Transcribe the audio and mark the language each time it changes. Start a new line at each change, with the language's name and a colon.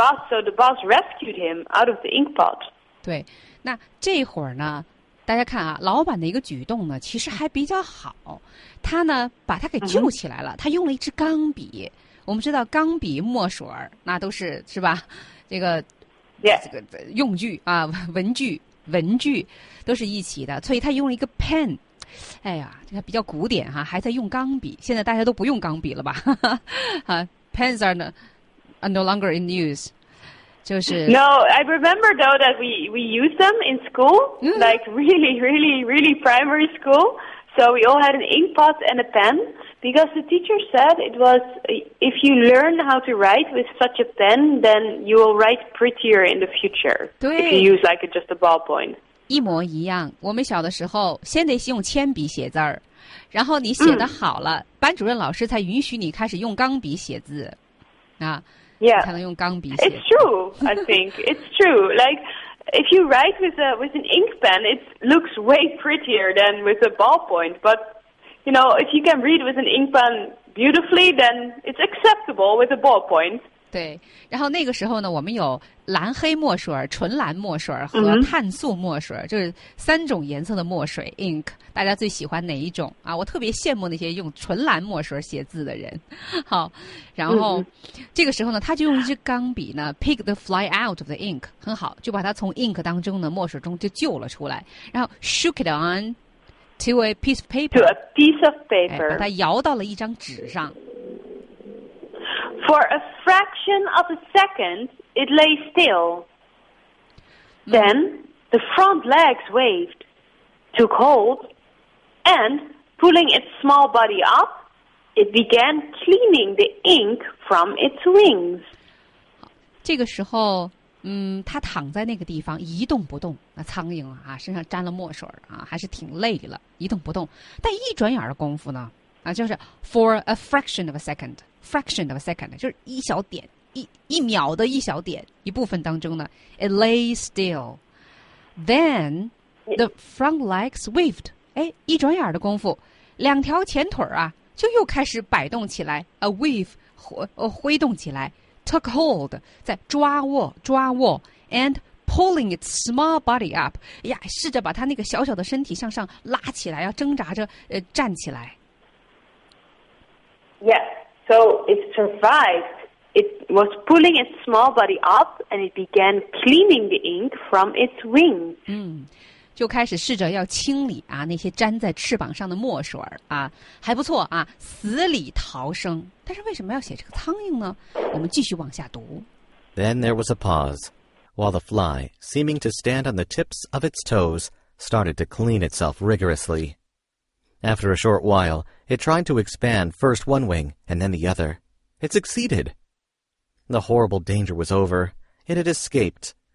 English: So the boss rescued him out of the ink pot.
Chinese: 对，那这会儿呢，大家看啊，老板的一个举动呢，其实还比较好。他呢，把他给救起来了。他用了一支钢笔。我们知道钢笔墨水那都是吧，这个、
English: yeah.
Chinese: 这个用具啊，文具都是一起的，所以他用了一个 pen， 哎呀，这个比较古典哈、啊、还在用钢笔，现在大家都不用钢笔了吧啊
English: pens are no longer in use，
Chinese: 就是
English: No, I remember though that we use them in school、mm-hmm. like really really really primary school, so we all had an ink pot and a penBecause the teacher said it was, if you learn how to write with such a pen, then you will write prettier in the future.
Chinese: 对。
English: If you use like just a ballpoint.
Chinese: 一模一样。我们小的时候先得用铅笔写字儿，然后你写得好了、嗯、班主任老师才允许你开始用钢笔写字。啊
English: yeah.
Chinese: 才能用钢笔写。
English: It's true, I think. It's true. Like, if you write with an ink pen, it looks way prettier than with a ballpoint, but... You know, if you can read with an ink pen beautifully, then it's acceptable with a ballpoint.
Chinese: 对，然后那个时候呢，我们有蓝黑墨水、纯蓝墨水和碳素墨水、 mm-hmm. 就是三种颜色的墨水 ink。大家最喜欢哪一种啊？我特别羡慕那些用纯蓝墨水写字的人。好，然后、mm-hmm. 这个时候呢，他就用一支钢笔呢 ，
English: pick the fly out of the ink，
Chinese: 很好，就把它从 ink 当中的墨水中就救了出来，然后
English: shook it on。 To a piece of paper.
Chinese: 把它摇到了一张纸上。
English: For a fraction of a second, it lay still. Then, the front legs waved, took hold, and, pulling its small body up, it began cleaning the ink from its wings.
Chinese: 这个时候，它躺在那个地方一动不动，那苍蝇啊，身上沾了墨水啊，还是挺累的了，一动不动。但一转眼的功夫呢，啊，就是
English: for a fraction of a second， fraction of a second
Chinese: 就是一小点，一秒的一小点一部分当中呢，
English: it lay still， then the front legs waved，
Chinese: 哎，一转眼的功夫，两条前腿啊就又开始摆动起来，
English: a wave
Chinese: 挥动起来。
English: Took hold,
Chinese: 在抓握
English: and pulling its small body up.
Chinese: 呀，试着把它那个小小的身体向上拉起来，要挣扎着站起来。
English: Yes, so it survived. It was pulling its small body up, and it began cleaning the ink from its wings. 嗯，
Chinese: 就开始试着要清理啊那些粘在翅膀上的墨水啊，还不错啊，死里逃生。但是为什么要写这个苍蝇呢？我们继续往下读。
English: Then there was a pause, while the fly, seeming to stand on the tips of its toes, started to clean itself rigorously. After a short while, it tried to expand first one wing and then the other. It succeeded. The horrible danger was over. It had escaped.